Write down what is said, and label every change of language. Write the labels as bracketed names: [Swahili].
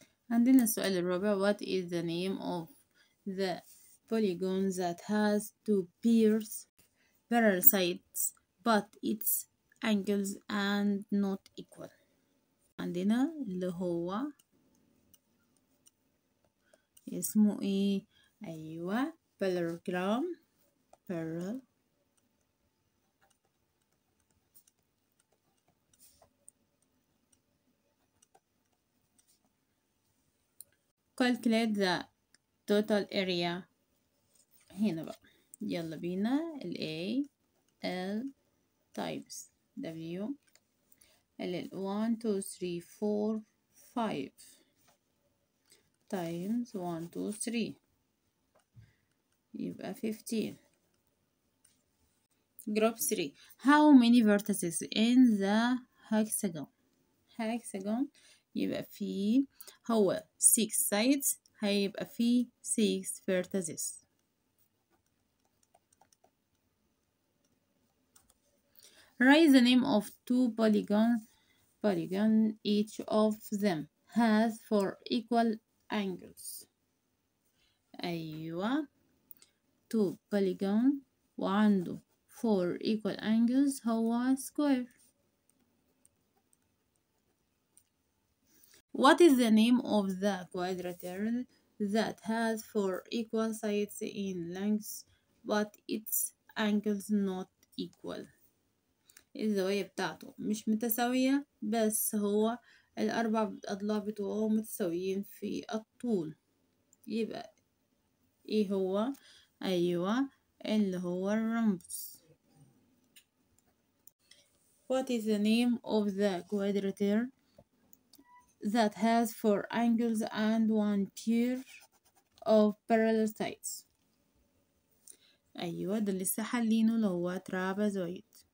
[Arabic] عندنا السؤال الرابع: [English] what is the name of the polygon that has 2 pairs parallel sides but its angles and not equal؟ [Arabic] عندنا اللي هو اسمه ايه؟ ايوه، [English] بلغرام بلغرام calculate the total area. [Arabic] هنا بقى يلا بينا ال A [English] L times W [Arabic] ال 1 2 3 4 5 times 1 2 3 يبقى 15. [English] group 3 how many vertices in the hexagon. [Arabic] hexagon يبقى في هو 6 sides هيبقى في 6 vertices. [English] write the name of two polygons polygon each of them has 4 equal angles. ايوه 2 polygon وعنده 4 equal angles هو square. What is the name of the quadrilateral that has 4 equal sides in length but its angles not equal. [Arabic] الزوايا بتاعته مش متساوية بس هو الأربع أضلاع بتوعه متساويين في الطول يبقى إيه هو؟ أيوة اللي هو الرمبس. [English] What is the name of the quadrilateral that has 4 angles and 1 pair of parallel sides. [Arabic] أيوة ده لسه حلينه اللي هو ترابيزويد.